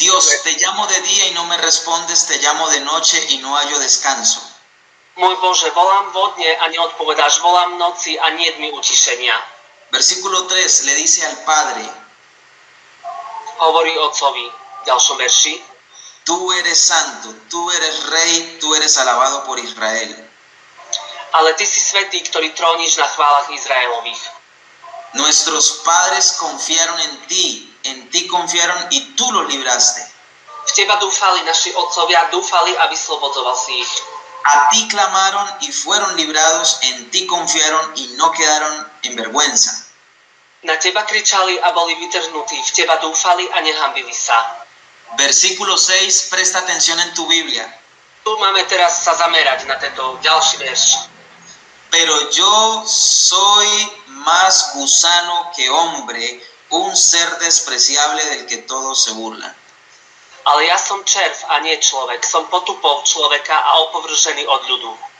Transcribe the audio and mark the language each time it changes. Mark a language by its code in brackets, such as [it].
[es] Dios, te llamo de día y no me respondes, te llamo de noche y no hallo descanso. [sk] Môj Bože, volám vo dne a neodpovedáš, volám v noci a nie mi utišenia. [es] Versículo 3 le dice al Padre. [sk] Hovorí Otcovi, ďalšom verši. [es] Tú eres santo, tú eres rey, tú eres alabado por Israel. [sk] Ale ty si svätý, ktorý tróniš na chválach Izraelových. [es] Nuestros padres confiaron en ti confiaron y tú los libraste. [sk] V teba dúfali naši otcovia, dúfali a vyslobodzoval si ich. [es] A ti clamaron y fueron librados, en ti confiaron y no quedaron en vergüenza. [sk] Na teba kričali a boli vytrhnutí, v teba dúfali a nehanbili sa. [es] Versículo 6, presta atención en tu Biblia. [sk] Tu máme teraz sa zamerať na tento ďalší verš. [es] Pero yo soy más gusano que hombre, un ser despreciable del que todos se burlan. [sk] Ale ja som červ a nie človek. Som potupov človeka a opovržený od ľudu.